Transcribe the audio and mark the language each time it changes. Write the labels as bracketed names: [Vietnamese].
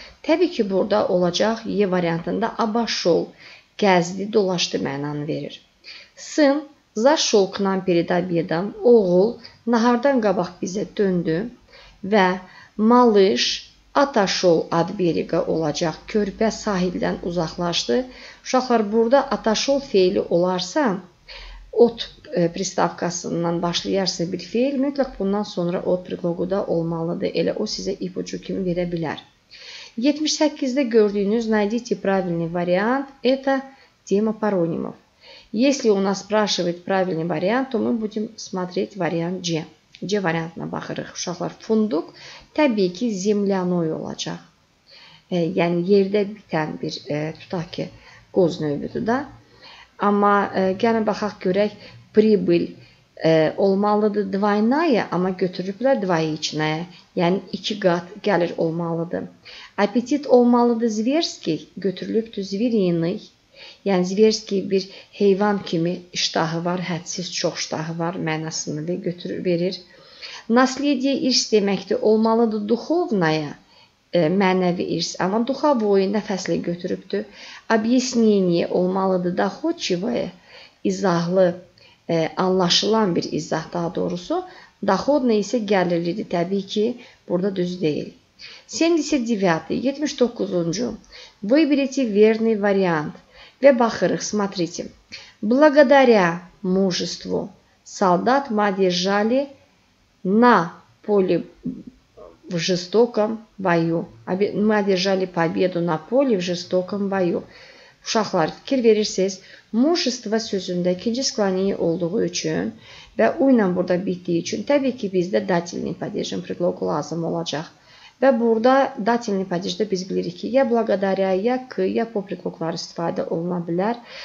[Azerbaijani] Təbii ki, burada olacaq Y variantında abaşol, gəzdi, dolaşdı mənanı verir. Sın, zaşol, knam, perid, abedam, oğul, nahardan qabaq bizə döndü və malış, ataşol, adberiqə olacaq, körpə sahildən uzaqlaşdı. Uşaqlar, burada ataşol feili olarsa, ot pristavkasından başlayarsa bir feil, mütləq bundan sonra ot priqloqu da olmalıdır. Elə o sizə ipucu kimi verə bilər. 78-də gördüyünüz [Russian] найдите правильный вариант это тема паронимов. Если у нас спрашивает правильный вариант, то мы будем смотреть вариант C. [Azerbaijani] C variantına baxırıq. Uşaqlar, funduq təbii ki zemlyanoy olacaq. Yəni yerdə bitən bir tutaq ki qoz növüdür da. Amma gəlin baxaq görək pribil olmalıdır dvaynaya, amma götürüblər dvayichnaya. Yəni iki qat gəlir olmalıdır. Apetit olmalıdır zverski, götürülübdür zviriniy. Yəni zverski bir heyvan kimi iştahı var, hədsiz çox iştahı var mənasını da götürür verir. Naslediye irs deməkdir, olmalıdır duxovnaya, mənəvi irs. Amma duxovoy nəfəsli götürübdür. Obyesneniye olmalıdır doxodçivaya, izahlı anlaşılan bir izah daha doğrusu. Daxod nə isə gəlirlidir. Təbii ki, burada düz deyil. 79-cu. [Russian] Выберите верный вариант. [Azerbaijani] Və baxırıq, [Russian] смотрите. Благодаря мужеству солдат мы одержали на поле в жестоком бою. Мы одержали победу на поле в жестоком бою. [Azerbaijani] Uşaqlar, fikir verirsiniz, mujistva sözündə ikinci skloniyi olduğu üçün və uyla burada bitdiyi üçün təbii ki, bizdə datilni padejin priqloqu lazım olacaq. Və burada datilni padejdə biz bilirik ki, ya blagadariya, ya k, ya po priqloqları istifadə oluna bilər.